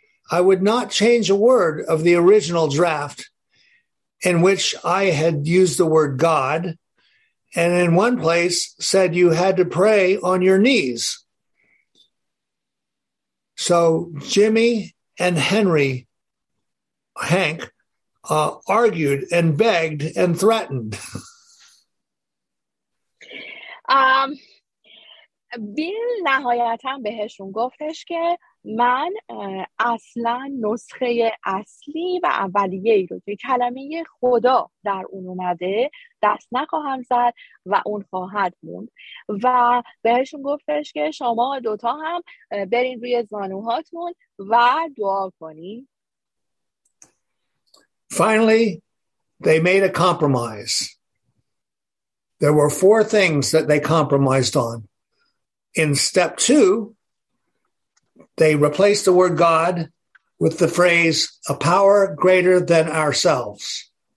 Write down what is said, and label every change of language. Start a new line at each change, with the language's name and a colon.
English: I would not change a word of the original draft in which I had used the word God, and in one place said you had to pray on your knees. So Jimmy and Hank argued and begged and threatened.
Persian: بیل نهایتاً بهشون گفتش که من اصلا نسخه اصلی و اولیه ای رو که کلمه خدا در اون اومده دست نخواهم زد و اون خواهد موند. و بهشون گفتش که شما دوتا هم برین روی زانوهاتون و دعا کنین.
English: Finally, they made a compromise. There were four things that they compromised on. In step two, they replaced the word God with the phrase, a power greater than ourselves.